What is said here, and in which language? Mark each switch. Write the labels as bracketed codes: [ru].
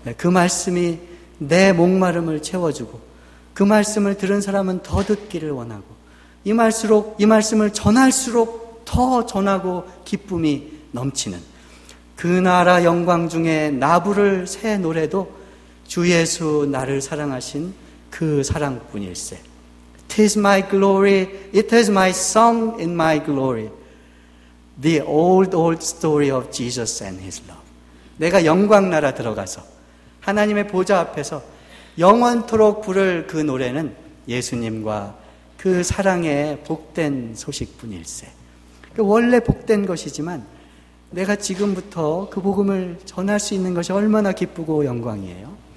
[ko] 그 말씀이 내 목마름을 채워주고 그 말씀을 들은 사람은 더 듣기를 원하고 이 말씀을 전할수록 더 전하고 기쁨이 넘치는 그 나라 영광 중에 나 부를 새 노래도 주 예수 나를 사랑하신 그 사랑뿐일세. [en] It is my glory, it is my song in my glory. The old, old story of Jesus and his love. [ko] 내가 영광 나라 들어가서 하나님의 보좌 앞에서 영원토록 부를 그 노래는 예수님과 그 사랑의 복된 소식뿐일세. 원래 복된 것이지만 내가 지금부터 그 복음을 전할 수 있는 것이 얼마나 기쁘고 영광이에요.